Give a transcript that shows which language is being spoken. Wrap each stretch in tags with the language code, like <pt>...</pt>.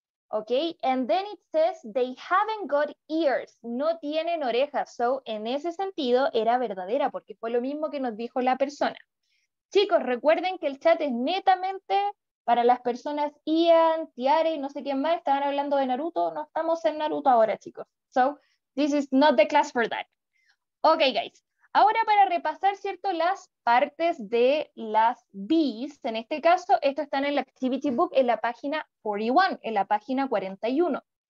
<en>Okay, and then it says, they haven't got ears,</en> <es>no tienen orejas. So, en ese sentido, era verdadera, porque fue lo mismo que nos dijo la persona. Chicos, recuerden que el chat es netamente para las personas Ian, Tiare y no sé quién más, estaban hablando de Naruto, no estamos en Naruto ahora, chicos.</es> <en>So, this is not the class for that. Okay, guys.</en> <es>Ahora para repasar, ¿cierto? Las partes de las bees, en este caso, esto está en el activity book, en la página 41, en la página 41.</es>